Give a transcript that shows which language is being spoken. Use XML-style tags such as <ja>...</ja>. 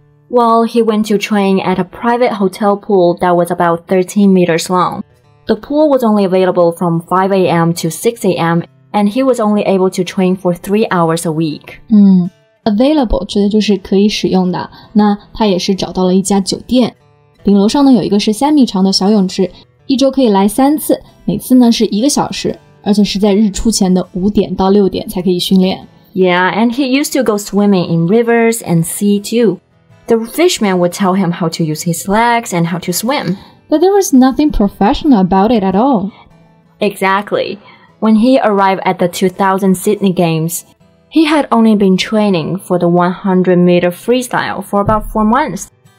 <en>Well, he went to train at a private hotel pool that was about 13 meters long The pool was only available from 5 a.m. to 6 a.m. And he was only able to train for 3 hours a week</en> <zh>Available 指的就是可以使用的那他也是找到了一家酒店顶楼上呢有一个13米长的小泳池一周可以来三次每次呢是一个小时而且是在日出前的5点到6点才可以训练</zh> <en>Yeah, and he used to go swimming in rivers and sea too The fishman would tell him how to use his legs and how to swim But there was nothing professional about it at all Exactly When he arrived at the 2000 Sydney GamesHe had only been training for the 100-meter freestyle for about 4 months.</en>